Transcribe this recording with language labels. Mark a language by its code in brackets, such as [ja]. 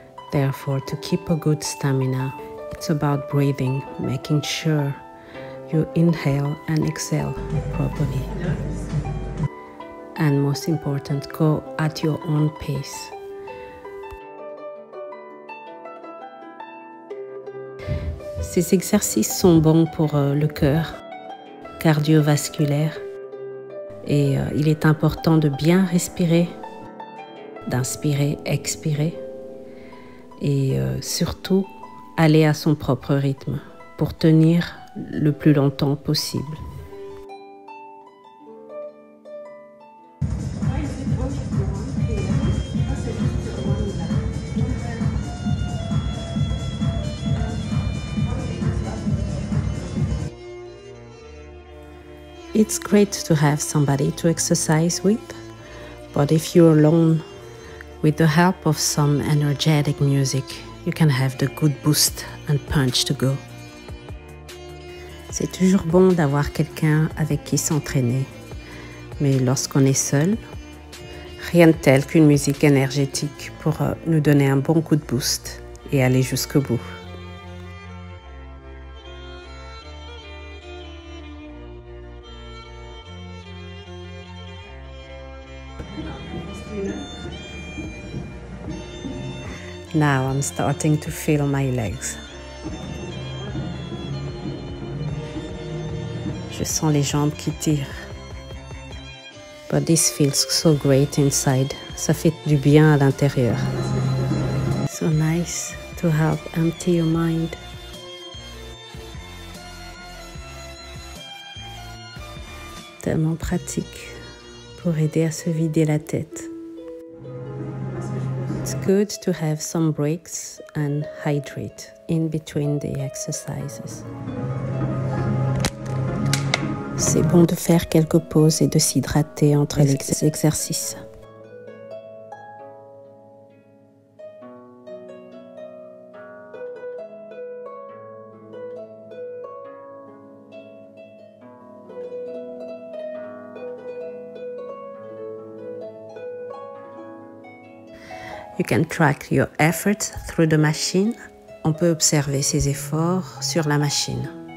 [en] Therefore, to keep a good stamina, it's about breathing, making sure you inhale and exhale properly. And most important, go at your own pace. [fr] Ces exercices sont bons pour le cœur, cardiovasculaire. Et il est important de bien respirer, d'inspirer, expirer et surtout aller à son propre rythme pour tenir le plus longtemps possible. [en] It's great to have somebody to exercise with, but if you're alone, with the help of some energetic music, you can have the good boost and punch to go. [fr] C'est toujours bon d'avoir quelqu'un avec qui s'entraîner, mais lorsqu'on est seul, rien de tel qu'une musique énergétique pour nous donner un bon coup de boost et aller jusqu'au bout. [en] Now I'm starting to feel my legs. [fr] Je sens les jambes qui tirent. [en] But this feels so great inside. [fr] Ça fait du bien à l'intérieur. [en] So nice to help empty your mind. [fr] Tellement pratique pour aider à se vider la tête. [en] It's good to have some breaks and hydrate in between the exercises. [fr] C'est bon de faire quelques pauses et de s'hydrater entre les exercices. [en] You can track your efforts through the machine. [fr] On peut observer ses efforts sur la machine.